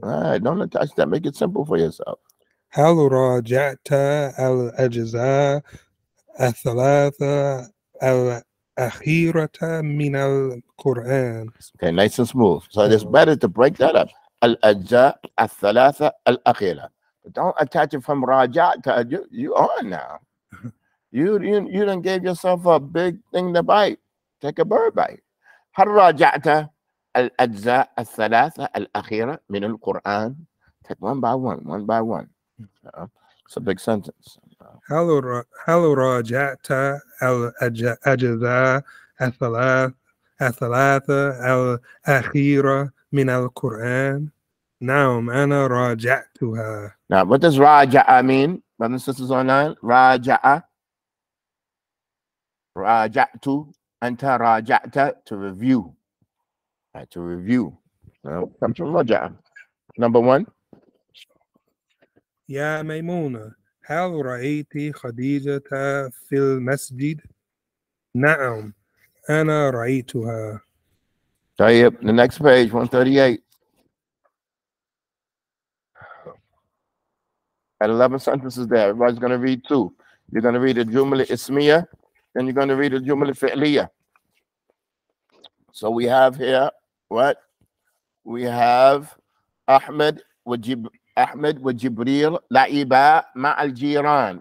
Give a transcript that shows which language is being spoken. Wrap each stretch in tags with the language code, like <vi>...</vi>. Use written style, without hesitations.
<en>All right, don't attach that. Make it simple for yourself.</en> <ar>هل راجعت الأجزاء الثلاثة الأخيرة من القرآن؟</ar> <en>Okay, nice and smooth. So it's better to break that up.</en> <ar>الأجزاء الثلاثة الأخيرة.</ar> <en>Don't attach it from Rajata. You are now. You done gave yourself a big thing to bite. Take a bird bite.</en> <ar>هل راجعت الأجزاء الثلاثة الأخيرة من القرآن؟</ar> <en>Take one by one. It's a big sentence.</en> <ar>هل راجعت الأجزاء الثلاثة الأخيرة من القرآن؟ نعم أنا راجعتها.</ar> <en>Now, what does راجع mean, brothers and sisters online?</en> <ar>راجع. راجعت. أنت راجعت.</ar> <en>To review. Right, to review. Now, come to راجع. Number 1.</en> <ar>يا ميمونة هل رأيت خديجة في المسجد؟ نعم أنا رأيتها. طيب,</ar> <en>the next page, 138. At 11 sentences there, everybody's going to read 2. You're going to read a jumla ismiya, and you're going to read a jumla fi'liya. So we have here, what? We have Ahmed with Jibreel,</en> <ar>la'iba ma'al jiran.</ar>